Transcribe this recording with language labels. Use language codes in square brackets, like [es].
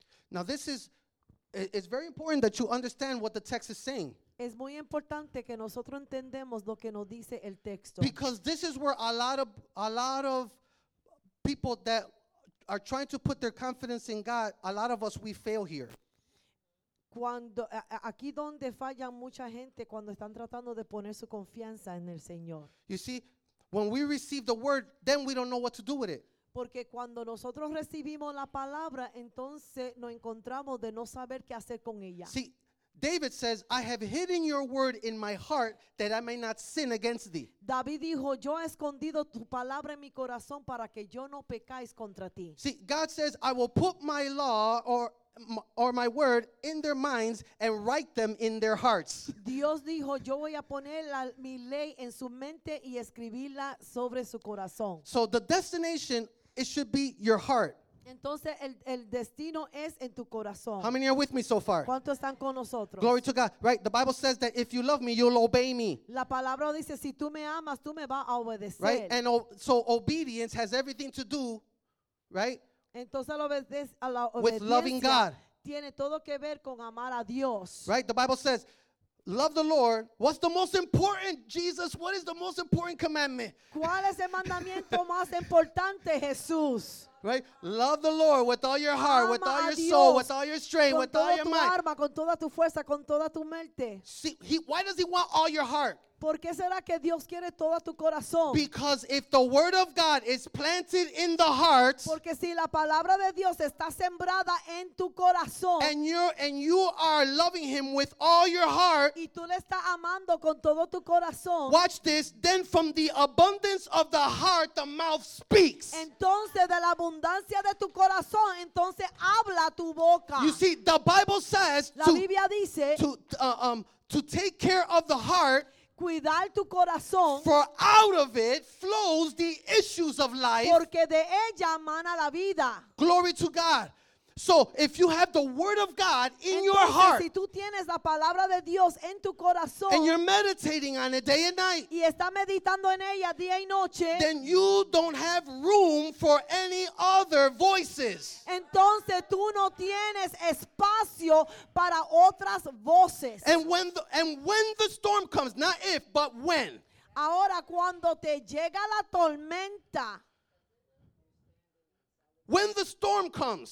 [en] Now this is, it's very important that you understand what the text is saying. [es] Es muy importante que nosotros entendemos lo que nos dice el texto. [en] Because this is where a lot of people that are trying to put their confidence in God, a lot of us, we fail here. [es] Cuando aquí donde falla mucha gente cuando están tratando de poner su confianza en el Señor. [en] You see, when we receive the word, then we don't know what to do with it. [es] Porque cuando nosotros recibimos la palabra, entonces nos encontramos de no saber qué hacer con ella. [en] See, David says, I have hidden your word in my heart that I may not sin against thee. [es] David dijo, yo he escondido tu palabra en mi corazón para que yo no pecáis contra ti. [en] See, God says, I will put my law or my word in their minds and write them in their hearts. [es] Dios dijo, yo voy a poner mi ley en su mente y escribirla sobre su corazón. [en] So the destination, it should be your heart. [es] Entonces el destino es en tu corazón. [en] How many are with me so far? [es] ¿Cuántos están con nosotros? [en] Glory to God. Right, the Bible says that if you love me, you'll obey me. [es] La palabra dice, si tú me amas, tú me vas a obedecer. [en] Right, and so obedience has everything to do, right? [es] Entonces la obediencia [en] with loving God. [es] Tiene todo que ver con amar a Dios. [en] Right, the Bible says, love the Lord. What's the most important, Jesus? What is the most important commandment? [es] ¿Cuál es el mandamiento más importante, Jesús? [en] Right? Love the Lord with all your heart, [es] ama [en] with all your [es] Dios, [en] soul, with all your strength, with all your [es] tu [en] mind. [es] Arma, con toda tu fuerza, con toda tu mente. [en] See, why does he want all your heart? [es] ¿Por qué será que Dios quiere todo tu corazón? [en] Because if the word of God is planted in the heart, [es] porque si la palabra de Dios está sembrada en tu corazón, [en] and you are loving him with all your heart, [es] y tú le estás amando con todo tu corazón, [en] watch this, then from the abundance of the heart, the mouth speaks. [es] Entonces de la abundancia de tu corazón, entonces habla tu boca. [en] You see, the Bible says, [es] la Biblia dice, [en] to take care of the heart, [es] cuidar tu corazón, [en] for out of it flows the issues of life, [es] porque de ella mana la vida. [en] Glory to God. So if you have the word of God in [es] entonces, [en] your heart, [es] si tú tienes la palabra de Dios en tu corazón, [en] and you're meditating on it day and night, [es] y está meditando en ella día y noche, [en] then you don't have room for any other voices. [es] Entonces tú no tienes espacio para otras voces. [en] And when the storm comes, not if, but when. [es] Ahora cuando te llega la tormenta. [en] When the storm comes.